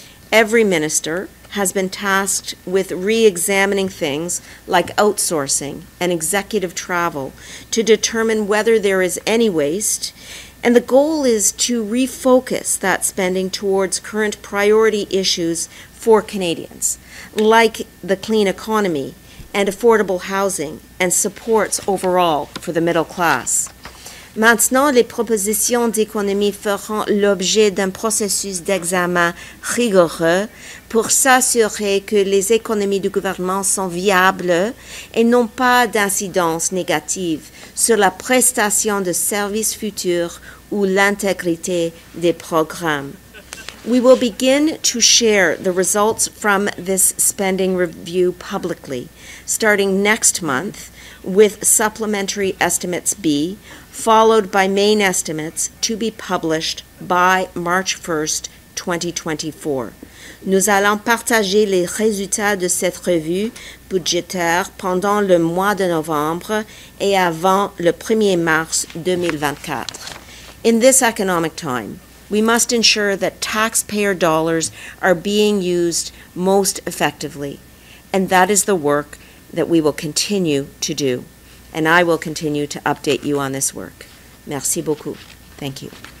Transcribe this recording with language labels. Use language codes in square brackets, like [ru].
[en] Every minister has been tasked with re-examining things like outsourcing and executive travel to determine whether there is any waste. And the goal is to refocus that spending towards current priority issues for Canadians, like the clean economy and affordable housing and supports overall for the middle class. [fr] Maintenant, les propositions d'économie feront l'objet d'un processus d'examen rigoureux pour s'assurer que les économies du gouvernement sont viables et n'ont pas d'incidence négative sur la prestation de services futurs ou l'intégrité des programmes. [en] We will begin to share the results from this spending review publicly, starting next month with Supplementary Estimates B, followed by main estimates to be published by March 1st, 2024. [fr] Nous allons partager les résultats de cette revue budgétaire pendant le mois de novembre et avant le 1er mars 2024. [en] In this economic time, we must ensure that taxpayer dollars are being used most effectively, and that is the work that we will continue to do. And I will continue to update you on this work. [fr] Merci beaucoup. [en] Thank you.